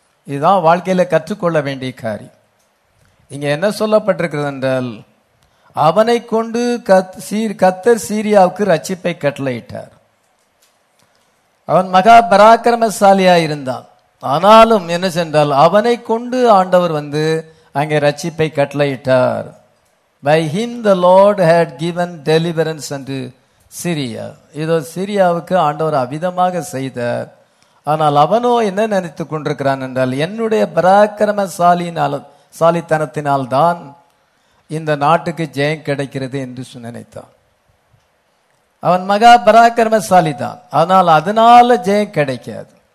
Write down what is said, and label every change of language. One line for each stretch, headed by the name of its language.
Tamil: இதுதான் வாழ்க்கையில கற்றுக்கொள்ள வேண்டிய காரியம். இங்க என்ன சொல்லப்பட்டிருக்கிறது என்றால், அவனை கொண்டு கர்த்தர் சீரியாவுக்கு ரட்சிப்பை கட்டளையிட்டார். அவன் மகா பராக்கிரமசாலியா இருந்தான், ஆனாலும் என்ன சென்றால் அவனை கொண்டு ஆண்டவர் வந்து அங்கே ரட்சிப்பை கட்டளையிட்டார்.
English: By him the Lord had given deliverance unto Syria.
Tamil: இதோ சிரியாவுக்கு ஆண்டவர் அவிதமாக செய்தார். ஆனால் அவனோ என்ன நினைத்துக் கொண்டிருக்கிறான் என்றால், என்னுடைய பராக்கிரமசாலியினால் சாலித்தனத்தினால்தான் இந்த நாட்டுக்கு ஜெயம் கிடைக்கிறது என்று நினைத்தான். அவன் மகா பராக்கிரமசாலி தான், ஆனால் அதனால ஜெயம் கிடைக்காது.